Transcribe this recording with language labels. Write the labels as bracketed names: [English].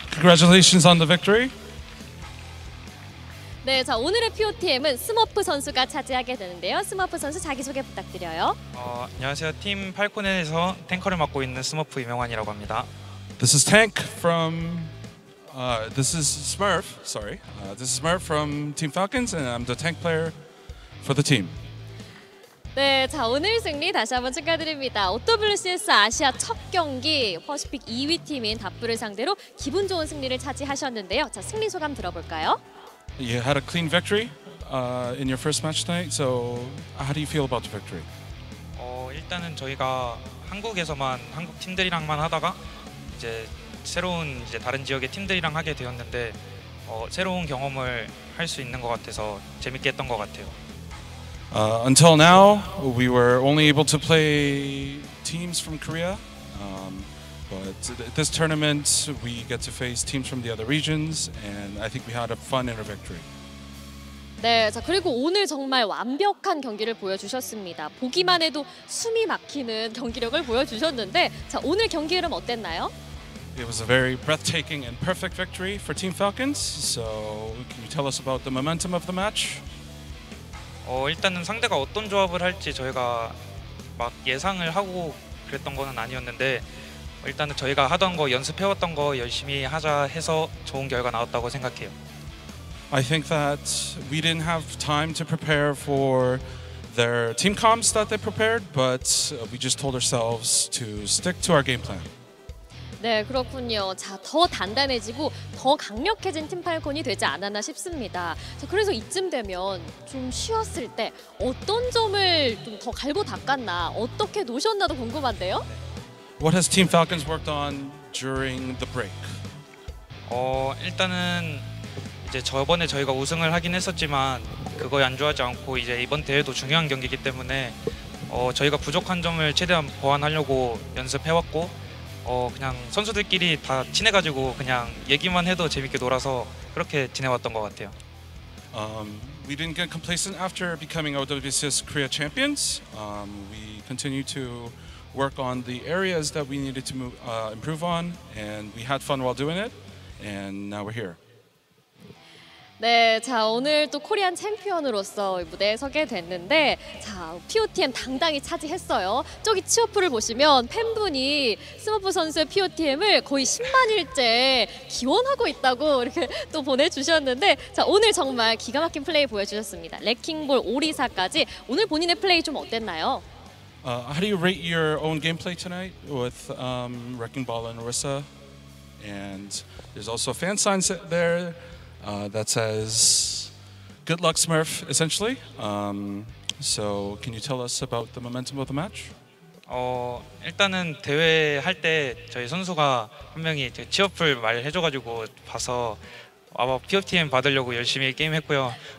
[English] Congratulations on the victory. [Korean] 네, 자 오늘의 POTM은 스머프 선수가 차지하게 되는데요. 스머프 선수 자기소개 부탁드려요. 안녕하세요. 팀 팔콘에서 탱커를 맡고 있는 스머프 이명환이라고 합니다. [English] This is Tank from... this is Smurf, sorry. This is Smurf from Team Falcons and I'm the tank player for the team. [Korean] 네, 자 오늘 승리 다시 한번 축하드립니다. OWCS 아시아 첫 경기 퍼시픽 2위 팀인 다프를 상대로 기분 좋은 승리를 차지하셨는데요. 자 승리 소감 들어볼까요? [English] You had a clean victory in your first match tonight. So, how do you feel about the victory? [Korean] 일단은 저희가 한국에서만 한국 팀들이랑만 하다가 이제 새로운 이제 다른 지역의 팀들이랑 하게 되었는데 새로운 경험을 할 수 있는 것 같아서 재밌게 했던 것 같아요. [English] Until now, we were only able to play teams from Korea, but this tournament we get to face teams from the other regions and I think we had a fun inner victory. [Korean] 네, 자 그리고 오늘 정말 완벽한 경기를 보여주셨습니다. 보기만 해도 숨이 막히는 경기력을 보여주셨는데 자 오늘 경기 흐름 어땠나요? [English] It was a very breathtaking and perfect victory for Team Falcons. So, can you tell us about the momentum of the match? [Korean] 일단은 상대가 어떤 조합을 할지 저희가 막 예상을 하고 그랬던 거는 아니었는데 일단은 저희가 하던 거, 연습해왔던 거 열심히 하자 해서 좋은 결과 나왔다고 생각해요. [English] I think that we didn't have time to prepare for their team comps that they prepared, but we just told ourselves to stick to our game plan. [Korean] 네, 그렇군요. 자, 더 단단해지고 더 강력해진 팀팔콘이 되지 않았나 싶습니다. 자, 그래서 이쯤 되면 좀 쉬었을 때 어떤 점을 좀 더 갈고 닦았나, 어떻게 노셨나도 궁금한데요? [English] What has Team Falcons worked on during the break? [Korean] 일단은 이제 저번에 저희가 우승을 하긴 했었지만 그거에 안주하지 않고 이제 이번 대회도 중요한 경기이기 때문에 저희가 부족한 점을 최대한 보완하려고 연습해왔고 그냥 선수들끼리 다 친해가지고 그냥 얘기만 해도 재밌게 놀아서 그렇게 지내왔던 것 같아요. [English] We didn't get complacent after becoming OWCS Korea champions. We continue to work on the areas that we needed to improve on, and we had fun while doing it. And now we're here. [Korean] 네, 자 오늘 또 코리안 챔피언으로서 무대에 서게 됐는데 자 POTM 당당히 차지했어요. 저기 치어풀을 보시면 팬분이 스머프 선수의 POTM을 거의 10만일째 기원하고 있다고 이렇게 또 보내주셨는데 자 오늘 정말 기가 막힌 플레이 보여주셨습니다. 레킹볼 오리사까지 오늘 본인의 플레이 좀 어땠나요? [English] How do you rate your own gameplay tonight with Wrecking Ball and Orisa? And there's also a fan sign there. That says, good luck Smurf, essentially. So, can you tell us about the momentum of the match? [Korean] 일단은 대회할 때 저희 선수가 한 명이 되게 치어풀 말 해줘가지고 봐서 아마 POTM 받으려고 열심히 게임했고요.